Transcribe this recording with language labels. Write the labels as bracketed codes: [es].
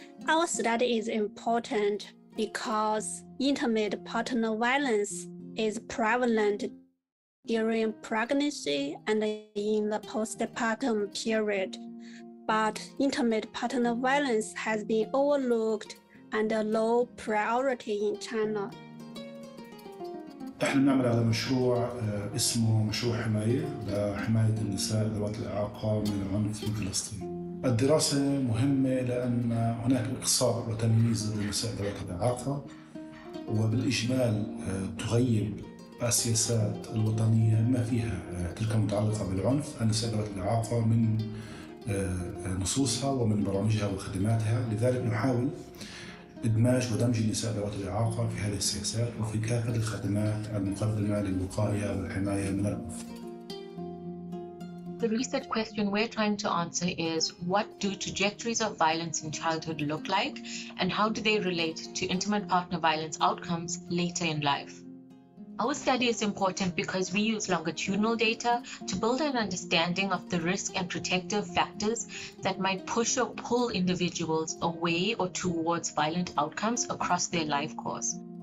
[en] Our study is important because intimate partner violence is prevalent during pregnancy and in the postpartum period. But intimate partner violence has been overlooked and a low priority in China. [ar] احنا بنعمل على مشروع اسمه مشروع حمايه لحمايه النساء ذوات الاعاقه من العنف في فلسطين. الدراسه مهمه لان هناك اقصاء وتمييز للنساء ذوات الاعاقه وبالاجمال تغيب السياسات الوطنيه ما فيها تلك المتعلقه بالعنف النساء ذوات الاعاقه من نصوصها ومن برامجها وخدماتها. لذلك نحاول إدماج ودمج النساء ذوات الإعاقة في هذه السياسات وفي كافة الخدمات المقدمة للوقاية والحماية من العنف. [en] The research question we're trying to answer is, what do trajectories of violence in childhood look like and how do they relate to intimate partner violence outcomes later in life? Our study is important because we use longitudinal data to build an understanding of the risk and protective factors that might push or pull individuals away or towards violent outcomes across their life course.